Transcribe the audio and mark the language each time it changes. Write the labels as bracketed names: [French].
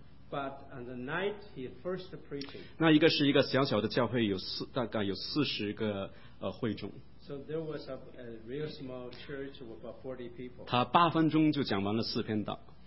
[English] But on the night he first preaching. [Chinese] 那一个是一个小小的教会，有大概有40个会众。 [English] So there was a real small church with about 40 people. [Chinese] 他八分钟就讲完了四篇道。